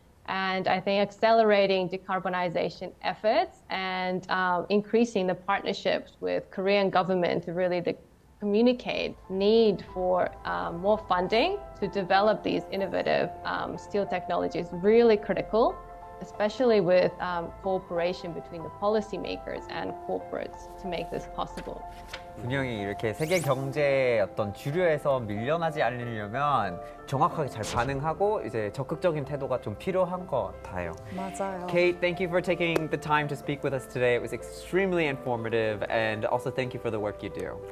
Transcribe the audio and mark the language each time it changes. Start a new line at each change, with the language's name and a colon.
English: And I think accelerating decarbonization efforts and increasing the partnerships with Korean government to really communicate need for more funding to develop these innovative steel technologies really critical, especially with cooperation between the policymakers and corporates to make this possible.
Korean: 분명히 이렇게 세계 경제의 어떤 주류에서 밀려나지 않으려면 정확하게 잘 반응하고 이제 적극적인 태도가 좀 필요한 것 같아요. 맞아요.
English: Kate, thank you for taking the time to speak with us today. It was extremely informative and also thank you for the work you do.